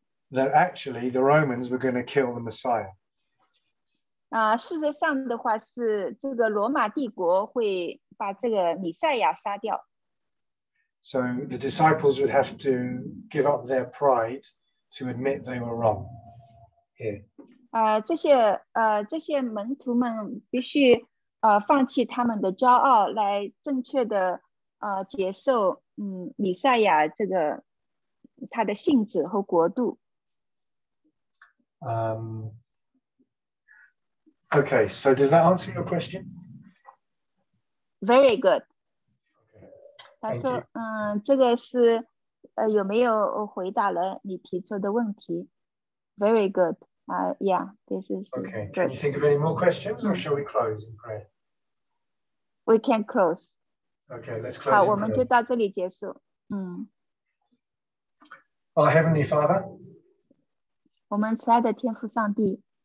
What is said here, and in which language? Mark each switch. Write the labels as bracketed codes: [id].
[en] That actually the Romans were going to kill the Messiah. [zh] 事实上的话是这个罗马帝国会把这个弥赛亚杀掉。 [en] So the disciples would have to give up their pride to admit they were wrong. Here. [zh] 这些门徒们必须放弃他们的骄傲，来正确的接受弥赛亚这个他的性质和国度。 [en] Okay. So does that answer your question? Very good. [zh] 他说，这个是，有没有回答了你提出的问题 ？ [en] Very good. Yeah, this is okay. Can you think of any more questions, or shall we close in prayer? We can close. Okay, let's close. [zh] 好，我们就到这里结束。 [en] Our Heavenly Father, [zh] 我们慈爱的天父上帝。